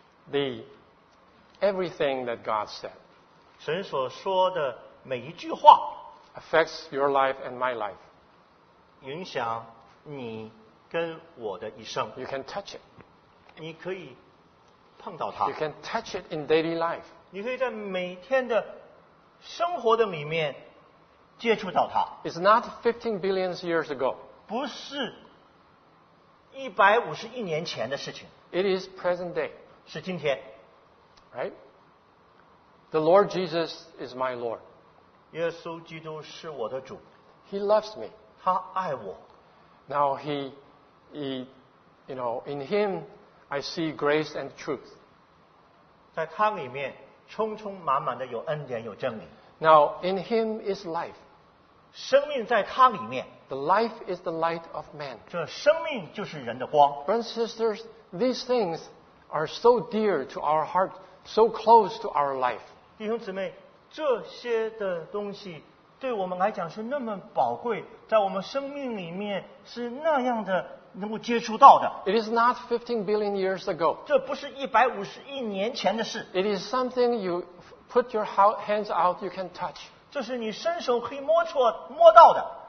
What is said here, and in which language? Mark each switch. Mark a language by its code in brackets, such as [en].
[en] everything that God said, [zh] 神所说的每一句话 [en] affects your life and my life, [zh] 影响你跟我的一生。 [en] You can touch it. [zh] 你可以碰到它。 [en] You can touch it in daily life. [zh] 你可以在每天的生活的里面接触到它。 [en] It's not 15 billion years ago. [zh] 不是150亿年前的事情。 [en] It is present day. [zh] 是今天。 [en] Right? The Lord Jesus is my Lord. [zh] 耶稣基督是我的主。 [en] He loves me. [zh] 他爱我。 [en] Now he, you know, in him, I see grace and truth. [zh] 在他里面，充充满满的有恩典，有真理。 [en] Now, in him is life. [zh] 生命在他里面。 [en] The life is the light of man. [zh] 这生命就是人的光。 [en] Brothers and sisters, these things are so dear to our heart, so close to our life. [zh] 弟兄姊妹，这些的东西对我们来讲是那么宝贵，在我们生命里面是那样的能够接触到的。 [en] It is not 15 billion years ago. [zh] 这不是150亿年前的事。 [en] It is something you put your hands out, you can touch. [zh] 这是你伸手可以摸触摸到的。